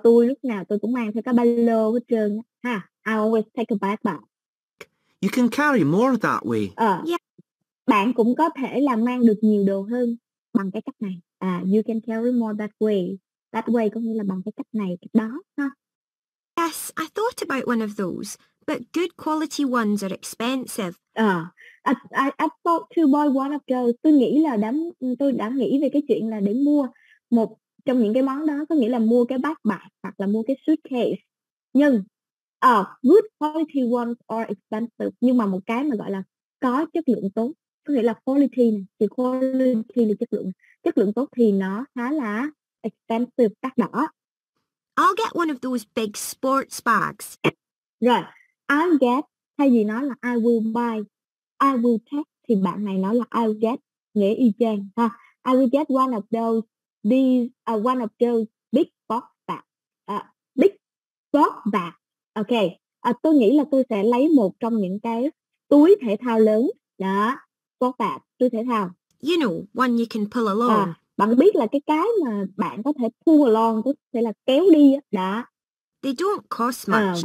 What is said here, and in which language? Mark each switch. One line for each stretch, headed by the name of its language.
Vietnamese: Tôi lúc nào tôi cũng mang theo cái ba lô hết trơn ha.
English: I always take a backpack. You can carry more that way.
Vietnamese: Bạn cũng có thể là mang được nhiều đồ hơn bằng cái cách này.
English: You can carry more that way. That way
Vietnamese: có nghĩa là bằng cái cách này, cách đó ha.
English: Yes, I thought about one of those, but good quality ones are expensive. I thought to buy one of those.
Vietnamese: Tôi đã nghĩ về cái chuyện là để mua một trong những cái món đó, có nghĩa là mua cái backpack hoặc là mua cái suitcase.
English: Nhưng good quality ones are expensive.
Vietnamese: Nhưng mà một cái mà gọi là có chất lượng tốt, có nghĩa là quality này, thì quality là chất lượng tốt thì nó khá là expensive, đắt đỏ.
English: I'll get one of those big sports bags. Right. I'll get,
Vietnamese: thay vì nói là
English: I will buy, I will take,
Vietnamese: thì bạn này nói là
English: I'll get,
Vietnamese: nghĩa y chang ha.
English: I will get one of those. These are one of those big box bags. Big box bags. Okay.
Vietnamese: Tôi nghĩ là tôi sẽ lấy một trong những cái túi thể thao lớn. Đó. Box bags. Túi thể thao.
English: You know, one you can pull along.
Vietnamese: Bạn biết là cái mà bạn có thể
English: pull along,
Vietnamese: có thể là kéo đi. Đó.
English: They don't cost much.